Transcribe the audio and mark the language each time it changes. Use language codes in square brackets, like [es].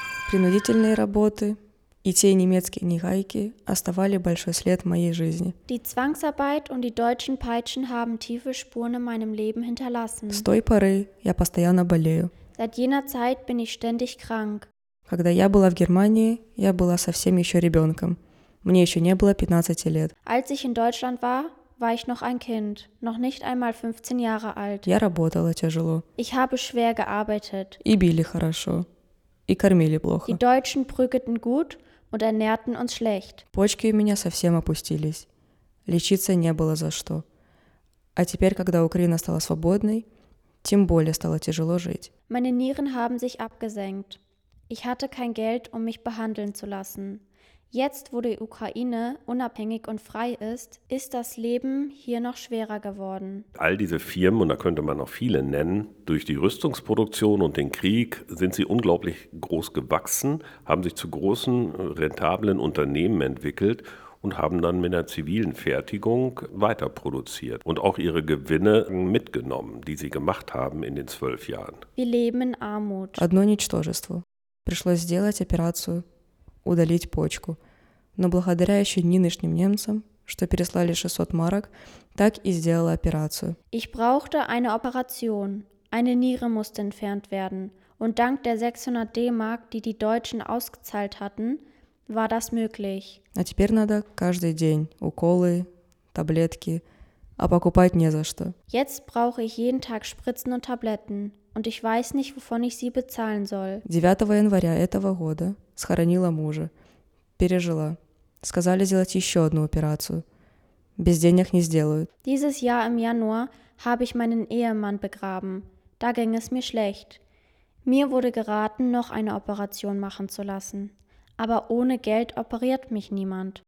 [ru] Принудительные работы и те немецкие нагайки оставили большой след в моей жизни. [de] Die Zwangsarbeit und die deutschen Peitschen haben tiefe Spuren in meinem Leben hinterlassen. [ru] С той поры я постоянно болею. [de] Seit jener Zeit bin ich ständig krank. [ru] Когда я была в Германии, я была совсем еще ребенком. Мне еще не было 15 лет. [de] Als ich in Deutschland war, war ich noch ein Kind, noch nicht einmal 15 Jahre alt. [ru] Я работала тяжело. [de] Ich habe schwer gearbeitet. [ru] И били хорошо. И кормили плохо. [de] Die Deutschen prügelten gut und ernährten uns schlecht. [ru] Почки у меня совсем опустились. Лечиться не было за что. А теперь, когда Украина стала свободной, тем более стало тяжело жить. [de] Meine Nieren haben sich abgesenkt. Ich hatte kein Geld, um mich behandeln zu lassen. Jetzt, wo die Ukraine unabhängig und frei ist, ist das Leben hier noch schwerer geworden. All diese Firmen, und da könnte man noch viele nennen, durch die Rüstungsproduktion und den Krieg sind sie unglaublich groß gewachsen, haben sich zu großen, rentablen Unternehmen entwickelt und haben dann mit der zivilen Fertigung weiter produziert und auch ihre Gewinne mitgenommen, die sie gemacht haben in den 12 Jahren. Wir leben in Armut. [ru] Одно ничтожество. Пришлось сделать операцию. Удалить почку. Но благодаря еще нынешним немцам, что переслали 600 марок, так и сделала операцию. [de] Ich brauchte eine Operation. Eine Niere musste entfernt werden. Und dank der 600 D-Mark, die die Deutschen ausgezahlt hatten, war das möglich. [ru] А теперь надо каждый день уколы, таблетки, а покупать не за что. [de] Jetzt brauche ich jeden Tag Spritzen und Tabletten. Und ich weiß nicht, wovon ich sie bezahlen soll. [ru] 9 января этого года схоронила мужа. Пережила. Сказали сделать еще одну операцию. Без денег не сделают. [de] Dieses Jahr im Januar habe ich meinen Ehemann begraben. Da ging es mir schlecht. Mir wurde geraten, noch eine Operation machen zu lassen. Aber ohne Geld operiert mich niemand.